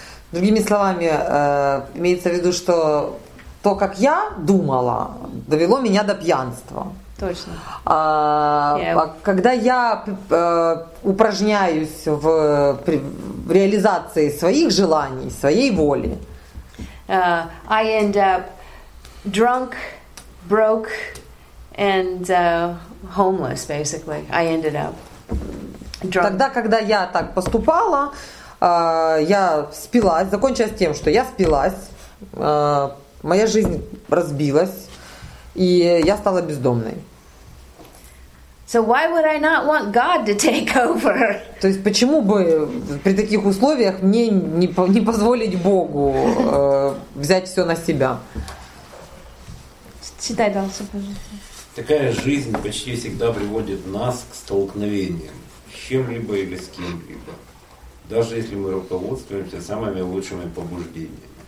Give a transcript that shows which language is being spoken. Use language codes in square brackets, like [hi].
[ru] другими словами, имеется в виду, что то, как я думала, довело меня до пьянства. Точно. Когда я упражняюсь в реализации своих желаний, своей воли, [en] I end up drunk, broke, and homeless, basically. I ended up. Drunk. [ru] Тогда, когда я так поступала, я спилась, закончилось тем, что я спилась, моя жизнь разбилась, и я стала бездомной. [en] So why would I not want God to take over? [ru] То есть почему бы при таких условиях мне не позволить Богу взять все на себя? Читай дальше, пожалуйста. Такая жизнь почти всегда приводит нас к столкновениям. Чем-либо или с кем-либо, даже если мы руководствуемся самыми лучшими побуждениями.